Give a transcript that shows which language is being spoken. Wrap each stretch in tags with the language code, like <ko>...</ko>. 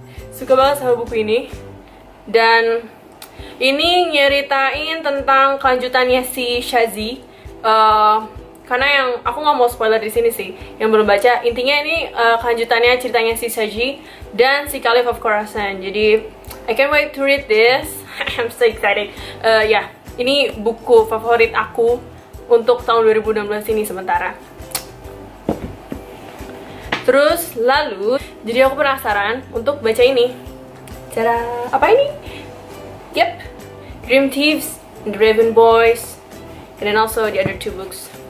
<id>Suka banget sama buku ini. Dan ini nyeritain tentang kelanjutannya si Shazi. Karena yang aku nggak mau spoiler di sini sih, yang belum baca, intinya ini kelanjutannya ceritanya si Saji dan si Caliph of Khorasan.</id> <en>Jadi I can't wait to read this. I'm so excited.</en> <id>Ya, ini buku favorit aku untuk tahun 2016 ini sementara. Terus lalu, jadi aku penasaran untuk baca ini. Cara apa ini?</id> <en>Yep, Dream Thieves, The Raven Boys, and then also the other two books.</en>